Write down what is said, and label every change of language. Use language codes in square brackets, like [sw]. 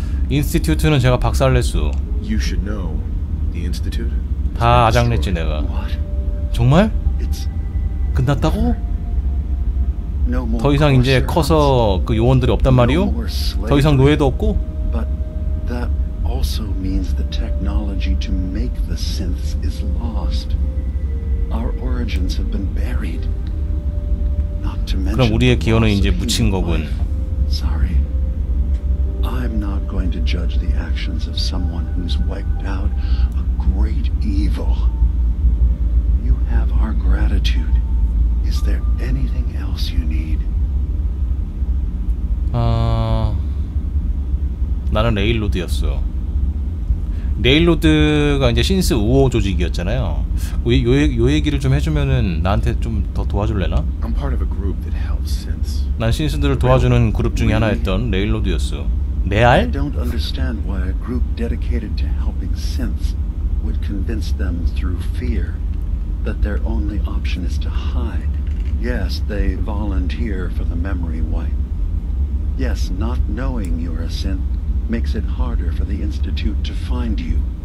[ko] Institute는 제가 박살 낼 수. [en] You should know the institute. [ko] 다 아작냈지 내가. 정말? 끝났다고? 더 이상 이제 커서 그 요원들이 없단 말이오? 더 이상 노예도 없고? [en] But that also means the technology to make the synths is lost. Our origins have been buried. Not to mention. [ko] 그럼 우리의 기원은 이제 묻힌 거군. [en] Sorry. I'm not going to judge the actions of someone who's wiped out a great evil. You have our gratitude. Is there anything else you need? [ko] 나는 레일로드였어. 레일로드가 이제 신스 우호 조직이었잖아요. 요 얘기를 좀 해주면은 나한테 좀 더 도와줄래나? [en] I'm part of a group that helps synths. [ko] 난 신스들을 도와주는 그룹 중에 하나였던 레일로드였어. 내 알? [en] I don't understand why a group dedicated to helping synths would convince them through fear that their only option is to hide. Yes, they volunteer for the memory wipe. Yes, not knowing you're a synth makes it harder for the institute to find you.